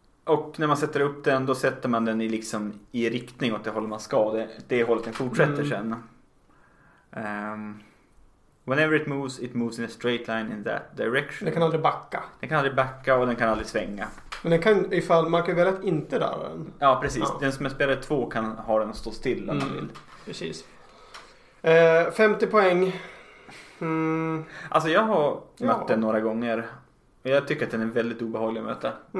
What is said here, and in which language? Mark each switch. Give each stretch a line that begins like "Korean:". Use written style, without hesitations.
Swedish: Och när man sätter upp den, då sätter man den i liksom i riktning åt det håll man ska. Det är hållet den fortsätter sen.
English: Whenever it moves in a straight line in that direction.
Swedish: Den kan aldrig backa. Den kan aldrig backa och den kan aldrig svänga. Men den kan, ifall man kan välja att inte röra den. Ja, precis. Ja. Den som är spelare två kan ha den stå still om man vill. Precis. 50 poäng. Alltså jag har mött den några gånger. Jag tycker att den är väldigt obehaglig att möta.